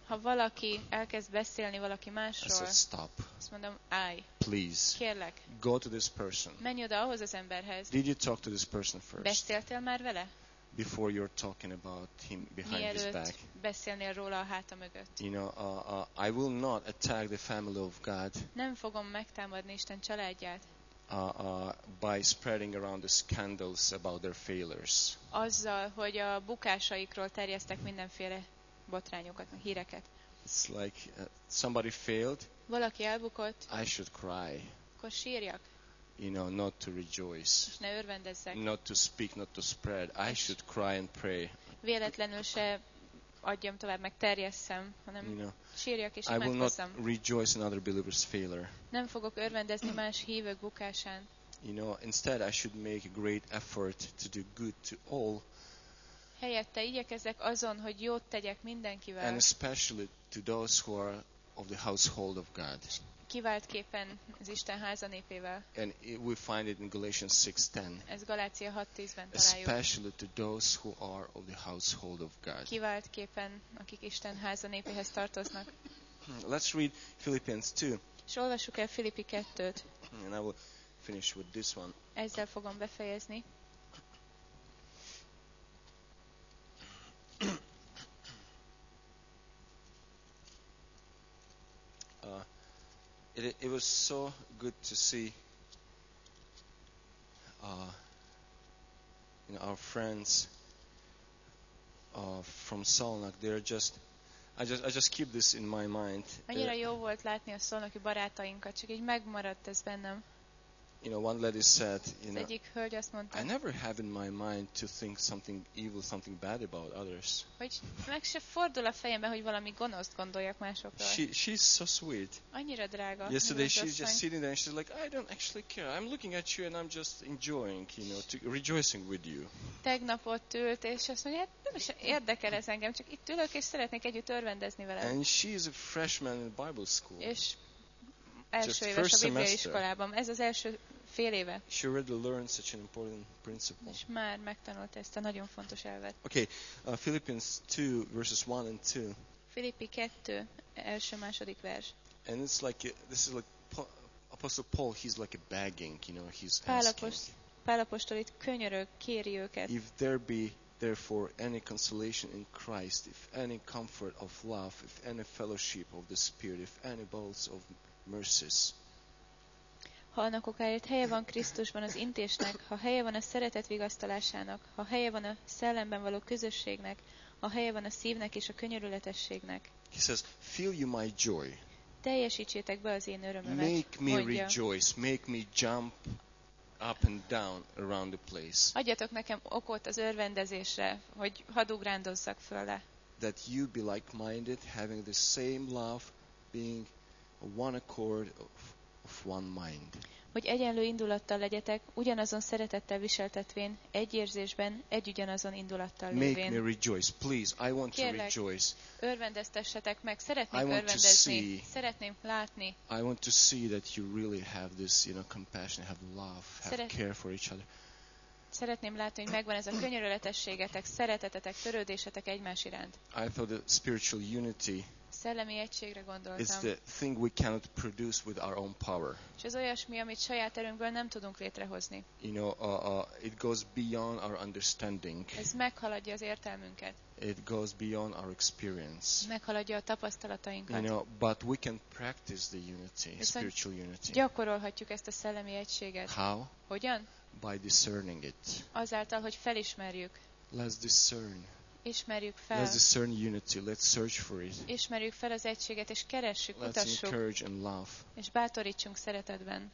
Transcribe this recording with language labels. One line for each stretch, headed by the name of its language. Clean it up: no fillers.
Hungarian: ha valaki elkezd beszélni valaki másról,
English: I said, stop.
Hungarian: Azt mondom, állj.
English: Please.
Hungarian: Kérlek.
English: Go to this person.
Hungarian: Menj oda ahhoz az emberhez.
English: Did you talk to this person first?
Hungarian: Beszéltél már vele?
English: Before you're talking about him behind
Hungarian: mielőtt
English: his back.
Hungarian: Beszélnél róla a háta mögött.
English: You know, I will not attack the family of God.
Hungarian: Nem fogom megtámadni Isten családját.
English: By spreading around the scandals about their failures.
Hungarian: Azzal, hogy a bukásaikról terjesztek mindenféle botrányokat, híreket.
English: It's like somebody failed.
Hungarian: Valaki elbukott.
English: I should cry.
Hungarian: Akkor sírjak.
English: You know, not to rejoice.
Hungarian: Ne örvendezzek.
English: Not to speak, not to spread. I should cry and pray.
Hungarian: Véletlenül se adjam tovább, meg terjesszem, hanem
English: you know,
Hungarian: sírjak és imádkozzam.
English: I will not rejoice in other believers' failure.
Hungarian: Nem fogok örvendezni más hívők bukásán.
English: You know, instead I should make a great effort to do good to all.
Hungarian: Helyette igyekezek azon, hogy jót tegyek mindenkivel.
English: And especially to those who are of the household of God.
Hungarian: Kiváltképpen az Isten háza népével.
English: And we find it in Galatians 6:10.
Hungarian: Ez Galácia 6:10-ben találjuk.
English: Especially to those who are of the household of God.
Hungarian: Kiváltképpen akik Isten háza népéhez tartoznak.
English: Let's read Philippians 2.
Hungarian: És olvassuk el Filippi 2-t.
English: And I will finish with this one.
Hungarian: Ezzel fogom befejezni.
English: It was so good to see our friends from Szolnok. They're just I just keep this in my mind.
Hungarian: Annyira jó volt látni a szolnoki barátainkat, csak így megmaradt ez bennem.
English: You know, one lady said, you know,
Hungarian: egyik hölgy azt mondta,
English: I never have in my mind to think something evil, something bad about others.
Hungarian: Hogy meg se fordul a fejembe, hogy valami gonoszt gondoljak másokról.
English: She's so sweet.
Hungarian: Annyira drága.
English: Yesterday she's just sitting there and she's like, I don't actually care. I'm looking at you and I'm just enjoying, you know, rejoicing with you.
Hungarian: Tegnap ott ült és azt mondja, hát nem is érdekel ez engem, csak itt ülök és szeretnék együtt örvendezni vele.
English: And she's a freshman in Bible school.
Hungarian: És első éves a Biblia iskolában. Ez az első fél éve.
English: She already learned such an important principle.
Hungarian: És már megtanult ezt a nagyon fontos elvet.
English: Okay, Philippians 2, verses 1 and 2.
Hungarian: Filippi 2, első, második vers.
English: And it's like, this is like, Apostle Paul, he's like a begging, you know, he's asking.
Hungarian: Pál apostol itt könyörög, kéri őket.
English: If there be therefore any consolation in Christ, if any comfort of love, if any fellowship of the Spirit, if any bowels of mercies.
Hungarian: Ha annak okáért helye van Krisztusban az intésnek, ha helye van a szeretet vigasztalásának, ha helye van a szellemben való közösségnek, ha helye van a szívnek és a könyörületességnek.
English: He says, fill you my joy.
Hungarian: Teljesítsétek be az én örömömet.
English: Make me
Hungarian: mondja.
English: Rejoice, make me jump up and down around the place.
Hungarian: Adjatok nekem okot az örvendezésre, hogy hadd ugrándozzak fölle.
English: That you be like-minded, having the same love, being one accord of one mind.
Hungarian: Hogy egyenlő indulattal legyetek, ugyanazon szeretettel viseltetvén, egy érzésben, egy ugyanazon indulattal lévén.
English: Make me rejoice, please. I want
Hungarian: kérlek,
English: to rejoice.
Hungarian: Örvendeztessetek meg, szeretnék örvendezni. Szeretném látni.
English: I want to see that you really have this, you know, compassion, have love, have care for each other.
Hungarian: Szeretném látni, hogy megvan ez a könyörületességetek, szeretetetek, törődésetek egymás iránt.
English: I thought that spiritual unity
Hungarian: szellemi egységre gondoltam.
English: It's the thing we cannot produce with our own power.
Hungarian: És ez olyasmi, amit saját erőnkből nem tudunk létrehozni.
English: You know, it goes beyond our understanding.
Hungarian: Ez meghaladja az értelmünket.
English: It goes beyond our experience.
Hungarian: Meghaladja a tapasztalatainkat.
English: You know, but we can practice the unity, spiritual unity.
Hungarian: Gyakorolhatjuk ezt a szellemi egységet.
English: How?
Hungarian: Hogyan?
English: By discerning it.
Hungarian: Azáltal, hogy felismerjük.
English: Let's discern.
Hungarian: Ismerjük fel.
English: Let's discern unity. Let's search for it.
Hungarian: Ismerjük fel az egységet és keressük, kutassuk.
English: Let's encourage and love.
Hungarian: És bátorítsunk szeretetben.